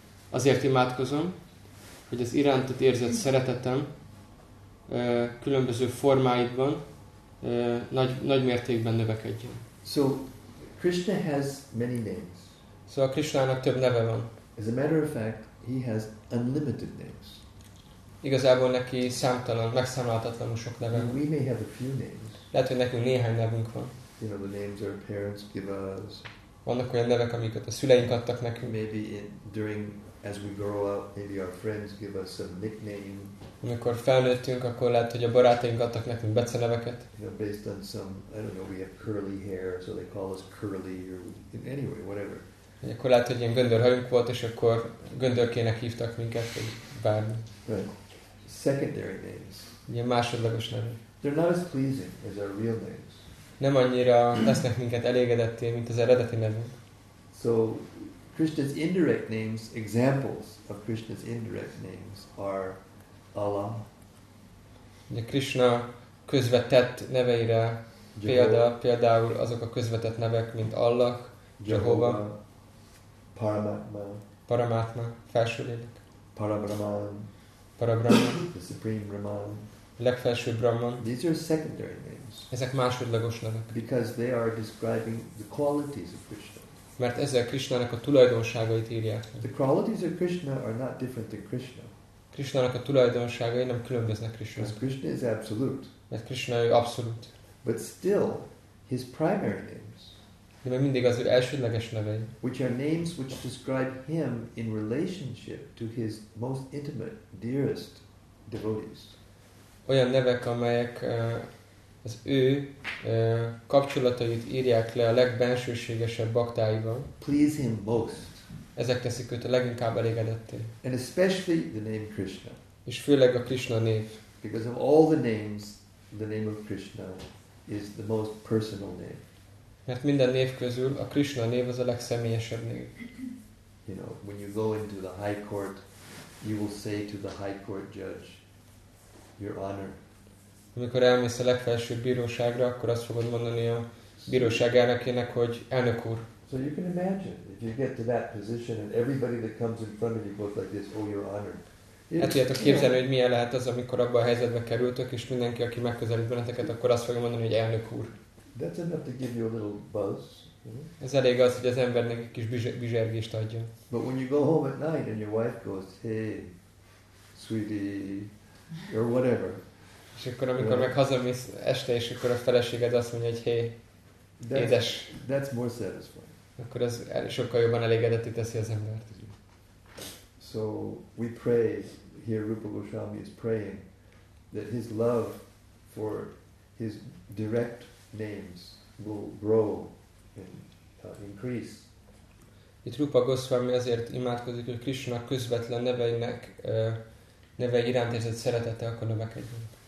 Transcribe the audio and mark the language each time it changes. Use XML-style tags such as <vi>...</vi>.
<hu>Azért imádkozom, hogy az irántad érzett szeretetem különböző formáidban nagy mértékben növekedjen.</hu> <en>So, Krishna has many names.</en> <hu>Szóval Krishnának több neve van.</hu> <en>As a matter of fact, he has unlimited names.</en> <hu>Igazából neki számtalan, megszámlálhatatlanul sok neve.</hu> <en>We may have a few names.</en> <hu>Lehet, hogy nekünk néhány nevünk van.</hu> <en>You know, the names our parents give us.</en> <hu>Vannak olyan nevek, amiket a szüleink adtak nekünk.</hu> <en>Maybe during as we grow up, maybe our friends give us some nickname.</en> <hu>Amikor felnőttünk, akkor lehet, hogy a barátaink adtak nekünk beceneveket.</hu> <en>You know, based on some, I don't know, we have curly hair, so they call us curly or anyway, whatever.</en> <hu>Akkor lehet, hogy ilyen göndörhajunk volt, és akkor göndörkének hívtak minket, hogy bármi.</hu> <en>Secondary names.</en> <hu>Ilyen másodlagos nevek.</hu> <en>They're not as pleasing as our real names.</en> <hu>Nem annyira lesznek minket elégedetté, mint az eredeti nevünk.</hu> <en>So, Krishna's indirect names, examples of Krishna's indirect names are Allah.</en> <hu>De Krishna közvetett neveire például azok a közvetett nevek, mint Allah, Jehova,</hu> <sa>Paramatma,</sa> <hu>felső lélek,</hu> <sa>Parabrahman, Parabrahman,</sa> <en>the Supreme Brahman,</en> <hu>legfelső Brahman.</hu> <en>These are secondary names.</en> <hu>Ezek másodlagos nevek.</hu> <en>Because they are describing the qualities of Krishna.</en> <hu>Mert ezek Krishnának a tulajdonságait írják.</hu> <en>The qualities of Krishna are not different than Krishna.</en> <hu>Krishnának a tulajdonságai nem különböznek Krishna.</hu> <en>Krishna is absolute.</en> <hu>Mert Krishna ő abszolút.</hu> <en>But still, his primary names.</en> <hu>De még mindig az ő elsődleges nevei.</hu> <en>Which are names which describe him in relationship to his most intimate, dearest devotees.</en> <hu>Olyan nevek, amelyek az ő kapcsolatait írják le a legbensőségesebb baktáival.</hu> <en>Please him most.</en> <hu>Ezek teszik őt a leginkább elégedetté.</hu> <en>And especially the name Krishna.</en> <hu>És főleg a Krishna név.</hu> <en>Because of all the names, the name of Krishna is the most personal name.</en> <hu>Mert minden név közül a Krishna név az a legszemélyesebb név.</hu> <en>You know, when you go into the high court, you will say to the high court judge, Your Honor.</en> <hu>Amikor elmész a legfelsőbb bíróságra, akkor azt fogod mondani a bíróság elnökének, hogy elnök úr.</hu> <en>So you can imagine if you get to that position and everybody that comes in front of you goes like this, Oh Your Honor.</en> <hu>Hát tudjátok képzelni, hogy milyen lehet az, amikor abban a helyzetbe kerültök, és mindenki, aki megközelít benneteket, akkor azt fogja mondani, hogy elnök úr.</hu> <en>That's enough to give you a little buzz.</en> <hu>Ez elég az, hogy az embernek egy kis bizsergést adja.</hu> <en>But when you go home at night and your wife goes, Hey, sweetie. Or whatever.</en> <hu>És akkor amikor meg hazamész este, és akkor a feleséged azt mondja, hogy hé, édes.</hu> <en>That's more satisfying.</en> <hu>Akkor ez sokkal jobban elégedetté teszi az embert.</hu> <en>So we pray, here Rupa Goswami is praying, that his love for his direct names will grow and increase.</en> <hu>Itt Rupa Goswami azért imádkozik, hogy Krishna közvetlen neveinek nevei iránt érzett szeretete akkor növekedjen.</hu>